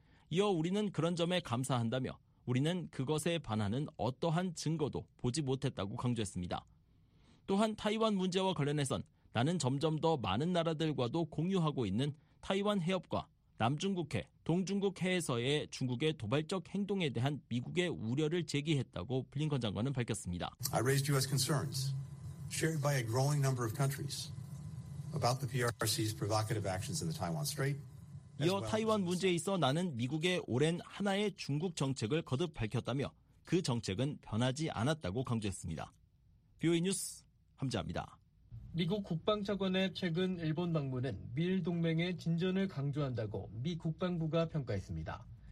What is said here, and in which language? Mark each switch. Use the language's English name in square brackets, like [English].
[Korean] 이어 우리는 그런 점에 감사한다며 우리는 그것에 반하는 어떠한 증거도 보지 못했다고 강조했습니다. 또한 타이완 문제와 관련해선 나는 점점 더 많은 나라들과도 공유하고 있는 타이완 해협과 남중국해, 동중국해에서의 중국의 도발적 행동에 대한 미국의 우려를 제기했다고 블링컨 장관은 밝혔습니다. [English] I raised U.S. concerns shared by a growing number of countries about the PRC's provocative actions in the Taiwan Strait. [Korean] 이어 타이완 문제에 있어 나는 미국의 오랜 하나의 중국 정책을 거듭 밝혔다며 그 정책은 변하지 않았다고 강조했습니다. 뷰이 뉴스 함재합니다. 미국 국방차관의 최근 일본 방문은 미일 동맹의 진전을 강조한다고 미 국방부가 평가했습니다.